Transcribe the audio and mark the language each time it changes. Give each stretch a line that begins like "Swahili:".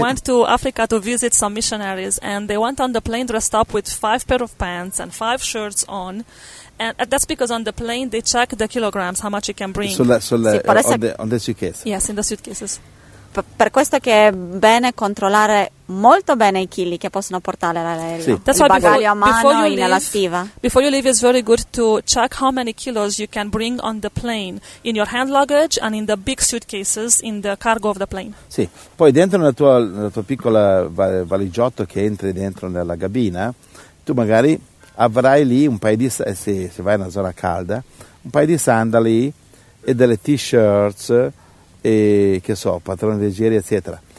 English: went to Africa to visit some missionaries and they went on the plane dressed up with 5 pair of pants and 5 shirts on. And that's because on the plane they check the kilograms, how much you can bring. On the suitcase. Yes, in the suitcases.
Italian: Per questo che è bene controllare molto bene i chili che possono portare l'aereo, sì. Il bagaglio a mano in elastiva.
English: Before you leave, it's very good to check how many kilos you can bring on the plane in your hand luggage and in the big suitcases in the cargo of the plane.
Italian: Sì, poi dentro nella tua piccola valigiotto che entri dentro nella cabina, tu magari avrai lì un paio di, se vai in una zona calda, un paio di sandali e delle t-shirts, e che so, pantaloni leggeri, eccetera.